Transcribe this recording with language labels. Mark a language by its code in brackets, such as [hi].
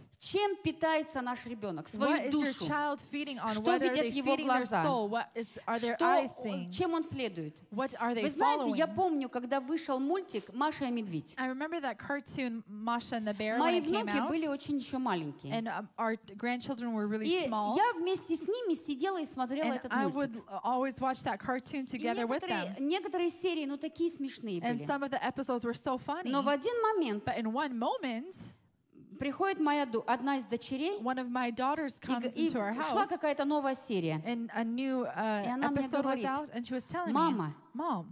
[ru] чем питается наш ребенок, свою душу, что видят его глаза, чем он следует. Вы знаете, Я помню, когда вышел мультик «Маша и медведь». [en] Cartoon, Bear, [ru] мои внуки [en] out, [ru] были очень еще маленькие. [en] And, grandchildren were really [ru] и [en] small. [ru] Я вместе с ними сидела и смотрела [en] and [ru] этот мультик. [en] I would always watch that cartoon together with them. [ru] Некоторые серии, ну, такие смешные [en] and [ru] были. [en] Some of the episodes were so funny. [ru] Но в один момент, [en] but in one moment, [ru] приходит моя одна из дочерей, [en] one of my daughters comes [ru] и [en] into our house, [ru] шла какая-то новая серия, [en] and a new, [ru] и она мне говорит, [en] was out, and she was telling [ru] мама, [en] me, Mom,